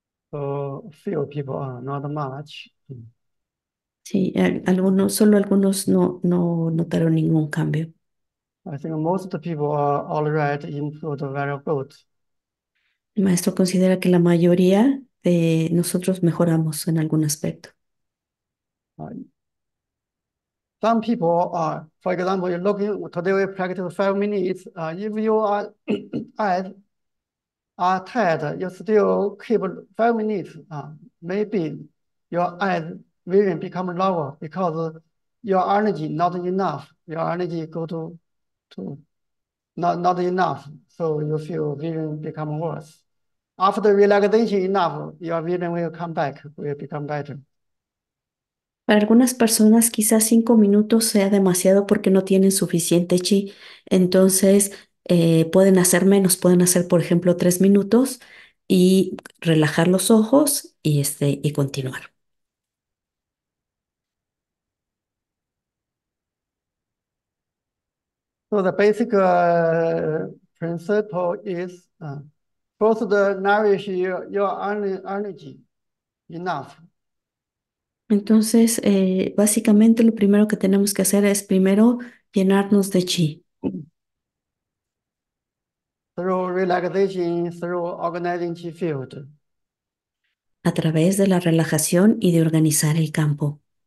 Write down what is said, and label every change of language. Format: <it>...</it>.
<en>So, few people are not much.</en> <es>Sí, solo algunos no notaron ningún cambio.</es> <en>I think most people are already improved very good.</en> <es>El maestro considera que la mayoría de nosotros mejoramos en algún aspecto.</es> <en>Some people are, for example, you're looking, today we practice 5 minutes. If your eyes are tired, you still keep 5 minutes. Maybe your eyes will become lower because your energy not enough. Your energy go to too not enough, so you feel vision become worse. After relaxation enough, your vision will come back, will become better.</en> <es>Para algunas personas quizás 5 minutos sea demasiado porque no tienen suficiente chi, entonces pueden hacer menos, pueden hacer por ejemplo 3 minutos y relajar los ojos y continuar.</es> <en>So the basic principle is first nourish your energy enough.</en> <es>Entonces, básicamente lo primero que tenemos que hacer es primero llenarnos de chi.</es> <en>Relaxation, through organizing chi field.</en> <es>A través de la relajación y de organizar el campo.</es>